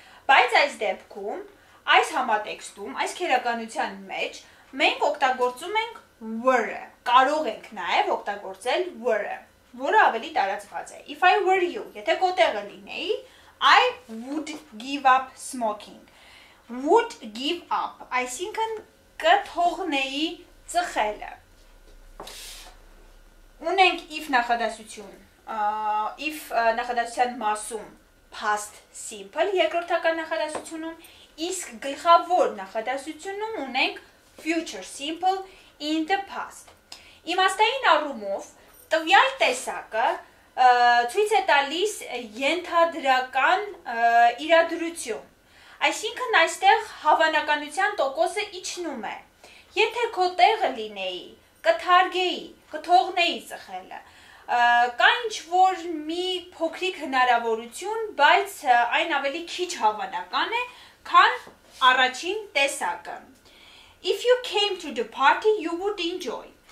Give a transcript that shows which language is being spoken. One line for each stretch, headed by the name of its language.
Armenian: բայց այս դեպքում, այս համատեքստում, այս քերականության մեջ, մենք օգտագործում ենք were-ը, կարող ենք նաեւ օգտագործել were-ը, որը ավելի տարածված է։
English: If I were you,
Armenian: եթե քո տեղը լինեի,
English: I would give up smoking. Would give up,
Armenian: այսինքն կթողնեի ծխելը։ Ունենք if նախադասություն, if նախադասության մասում past simple երկրորդական նախադասությունում, իսկ գլխավոր նախադասությունում ունենք future simple in the past. Իմաստային առումով տվյալ տեսակը ցույց է տալիս ենթադրական իրադրություն։ Այսինքն այստեղ հավանականության տոկոսը իջնում է։ Եթե քո տեղը լինեի, կթարգեի, կթողնեի ծխելը, կա ինչ-որ մի փոքրիկ հնարավորություն, բայց այն ավելի քիչ հավանական է, քան առաջին տեսակը։
English: If you came to the party, you would enjoy.